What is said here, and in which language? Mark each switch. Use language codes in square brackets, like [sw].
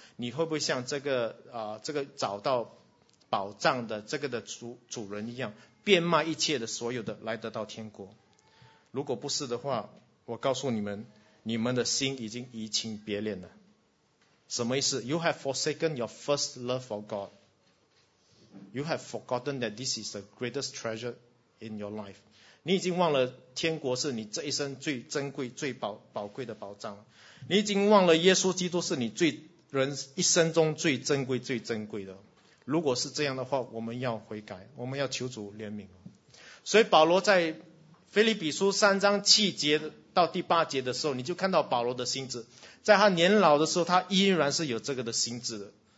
[zh] 你会不会像这个找到宝藏的这个的主人一样，变卖一切的所有的来得到天国？如果不是的话，我告诉你们，你们的心已经移情别恋了。什么意思 [en] ？You have forsaken your first love for God. You have forgotten that this is the greatest treasure in your life. [zh] 你已经忘了天国是你这一生最珍贵、最宝贵的宝藏了。你已经忘了耶稣基督是你最人一生中最珍贵最珍贵的。如果是这样的话，我们要悔改，我们要求主怜悯。所以保罗在腓立比书三章七节到第八节的时候，你就看到保罗的心智，在他年老的时候他依然是有这个的心智的。